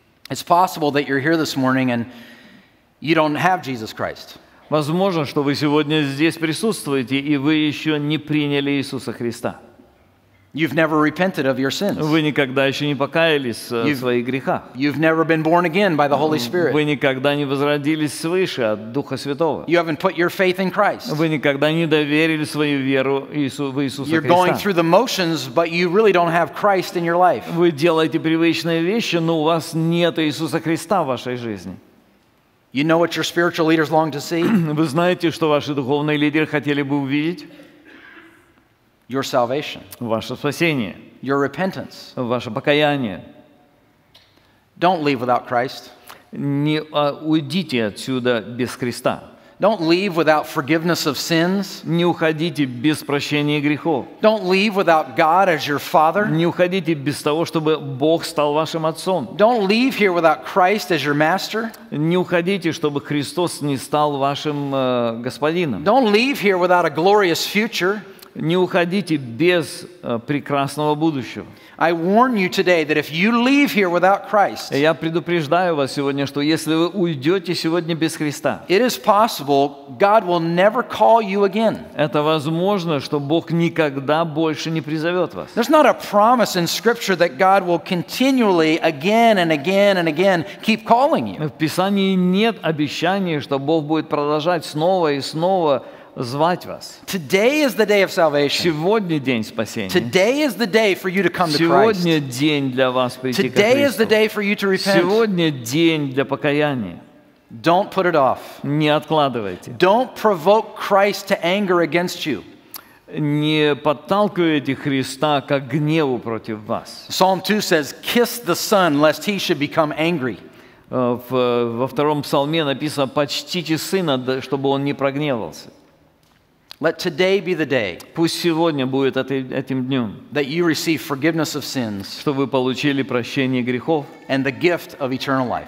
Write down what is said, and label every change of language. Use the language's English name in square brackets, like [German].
[English] It's possible that you're here this morning and you don't have Jesus Christ. [Russian] Возможно, что вы сегодня здесь присутствуете и вы еще не приняли Иисуса Христа. [English] You've never repented of your sins. [Russian] Вы никогда еще не покаялись в своих грехах. [English] You've never been born again by the Holy Spirit. [Russian] Вы никогда не возродились свыше от Духа Святого. [English] You haven't put your faith in Christ. [Russian] Вы никогда не доверили свою веру в Иисуса Христа. [English] You're going through the motions, but you really don't have Christ in your life. [Russian] Вы делаете привычные вещи, но у вас нет Иисуса Христа в вашей жизни. [English] You know what your spiritual leaders long to see? [Russian] Вы знаете, что ваши духовные лидеры хотели бы увидеть? [English] Your salvation. [Russian] Ваше спасение. [English] Your repentance. [Russian] Ваше покаяние. [English] Don't leave without Christ. [Russian] Не уйдите отсюда без Христа. [English] Don't leave without forgiveness of sins. [Russian] Не уходите без прощения грехов. [English] Don't leave without God as your Father. [Russian] Не уходите без того, чтобы Бог стал вашим отцом. [English] Don't leave here without Christ as your Master. [Russian] Не уходите, чтобы Христос не стал вашим господином. [English] Don't leave here without a glorious future. [Russian] Не уходите без прекрасного будущего. [English] I warn you today that if you leave here without Christ, [Russian] я предупреждаю вас сегодня, что если вы уйдете сегодня без Христа, [English] it is possible God will never call you again. [Russian] Это возможно, что Бог никогда больше не призовет вас. [English] There's not a promise in Scripture that God will continually again and again and again keep calling you. [Russian] В Писании нет обещания, что Бог будет продолжать снова и снова звать вас. [English] Today is the day of salvation. [Russian] Сегодня день спасения. [English] Today is the day for you to come to Christ. [Russian] Сегодня день для вас прийти ко Христу. [English] Today is the day for you to repent. [Russian] Сегодня день для покаяния. [English] Don't put it off. [Russian] Не откладывайте. [English] Don't provoke Christ to anger against you. [Russian] Не подталкивайте Христа к гневу против вас. [English] Psalm 2 says, "Kiss the Son, lest he should become angry." [Russian] Во втором псалме написано: "Почтите Сына, чтобы он не прогневался." [English] Let today be the day. [Russian] Пусть сегодня будет этим днем. [English] That you receive forgiveness of sins. [Russian] Что вы получили прощение грехов. [English] And the gift of eternal life.